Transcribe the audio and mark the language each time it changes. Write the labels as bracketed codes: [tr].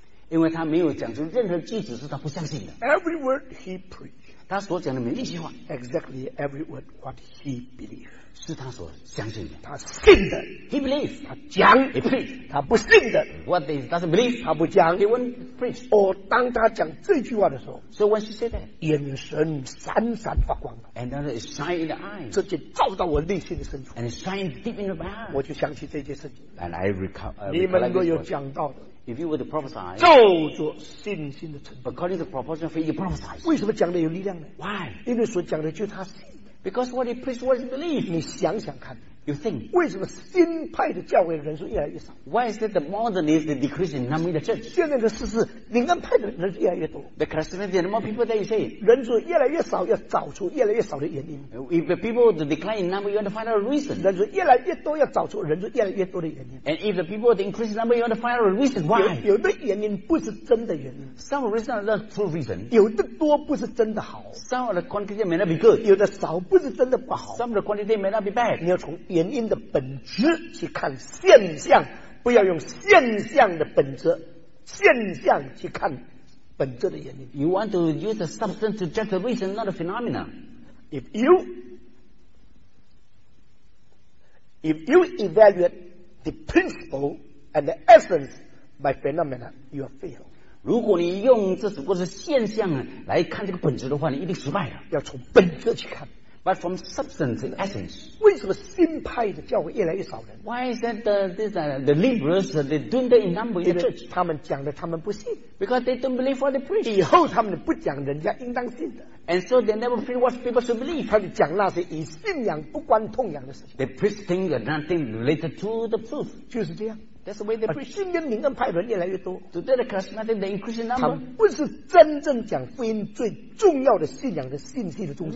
[zh] 因为他没有讲出任何句子是他不相信的。 [en] Every word he preached. [zh] 他所讲的每一句话, [en] exactly every word what he believed. [zh] 是他所相信的, 他信的, [en] he believes. [zh] 他讲, [en] he preached. [zh] 他不信的, [en] what he doesn't believe. [zh] 他不讲, [en] he won't preach. [zh] Or 当他讲这句话的时候, [en] so when she said that, [zh] 眼神闪闪发光, [en] and then it shined in the eyes. [zh] 这就照到我内心的深处, [en] and it shined deep in the mind. [zh] 我就想起这件事情, [en] and I recall, [zh] 你们若有讲到的, [en] if you were to prophesy, [zh] 照着信心的程度, [en] according to the proportion of faith you prophesy, [zh] 为什么讲的有力量呢? [en] Why? [zh] 因为所讲的就是他信的, [en] because what he preached was believed. [zh] 你想想看, [en] you think, [zh] 为什么新派的教会人数越来越少? [en] Why is that the modernism decreasing in the church? [zh] 现在的事是灵恩派的人数越来越多, [en] the Christianity and more people that you say, [zh] 人数越来越少, 要找出越来越少的原因, [en] if the people the decline in number, you want to find out a reason, [zh] 人数越来越多, 要找出人数越来越多的原因, [en] and if the people the increase in number, you want to find out a reason why, [zh] 有的原因不是真的原因, [en] some reason are not true reason, [zh] 有的多不是真的好, [en] some of the quantity may not be good, [zh] 有的少不是真的不好, [en] some of the quantity may not be bad, [zh] 你要从 原因的本质去看现象, 不要用现象的本质, 现象去看本质的原因, [en] you want to use the substance to judge the reason, not the phenomena. If you evaluate the principle and the essence by phenomena, you are failed. [zh] 如果你用这只不过是现象来看这个本质的话，你一定失败了。要从本质去看, [en] but from substance and essence. [zh] 为什么新派的教会越来越少人? [en] Why is that the liberals, they dwindle in number in the church? [zh] 他们讲的他们不信, [en] because they don't believe what they preach. [zh] 以后他们不讲人家应当信的, [en] and so they never feel what people should believe. [zh] 他们讲那些以信仰不关痛痒的事情, [en] they preach things that nothing related to the truth. [zh] 就是这样, [en] that's the way they preach. [zh] 而今天灵恩派人越来越多, [en] today the Christianity, the increasing number, [zh] 他们不是真正讲福音最重要的信仰的信息的中心,